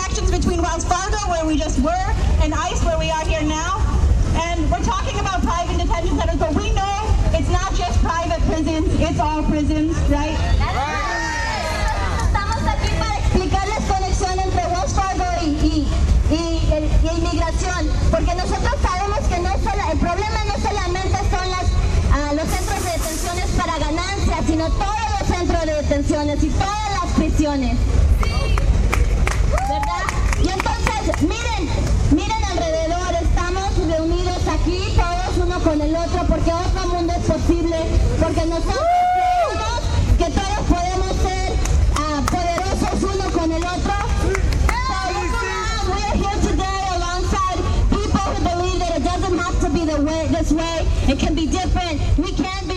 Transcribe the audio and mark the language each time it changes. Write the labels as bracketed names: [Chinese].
[English] Between Wells Fargo, where we just were, and ICE, where we are here now. And we're talking about private detention centers, but we know it's not just private prisons, it's all prisons, right? [Spanish] Estamos aquí para explicarles conexión entre Wells Fargo y inmigración, porque nosotros sabemos que el problema no solamente son los centros de detenciones para ganancias, sino todos los centros de detenciones y todas las prisiones. Y entonces, miren alrededor, estamos reunidos aquí todos uno con el otro porque otro mundo es posible, porque nosotros creemos que todos podemos ser poderosos uno con el otro. [English] We are here today alongside people who believe that it doesn't have to be this way, it can be different. We can't